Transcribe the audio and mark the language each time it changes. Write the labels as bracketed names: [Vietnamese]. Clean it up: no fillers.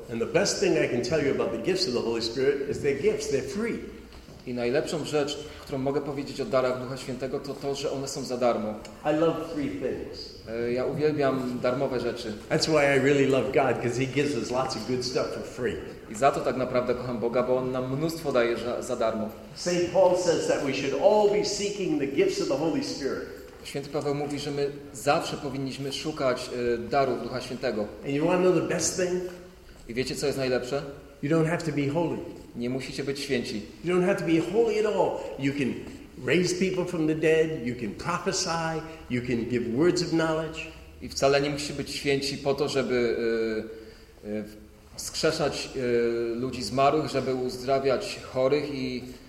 [English] And the best thing I can tell you about the gifts of the Holy Spirit is they're gifts, they're free. [Polish] I najlepszą rzecz, którą mogę powiedzieć o darach Ducha Świętego, to to, że one są za darmo. [English] I love free things. [Polish] Ja uwielbiam darmowe rzeczy. [English] That's why I really love God, because He gives us lots of good stuff for free. [Polish] I za to tak naprawdę kocham Boga, bo On nam mnóstwo daje za darmo. [English] St. Paul says that we should all be seeking the gifts of the Holy Spirit. [Polish] Święty Paweł mówi, że my zawsze powinniśmy szukać darów Ducha Świętego. [English] And you want to know the best thing? [Polish] I wiecie, co jest najlepsze? [English] You don't have to be holy. [Polish] Nie musicie być święci. [English] You don't have to be holy at all. You can raise people from the dead, you can prophesy, you can give words of knowledge. [Polish] I wcale nie musicie być święci po to, żeby wskrzeszać ludzi zmarłych, żeby uzdrawiać chorych i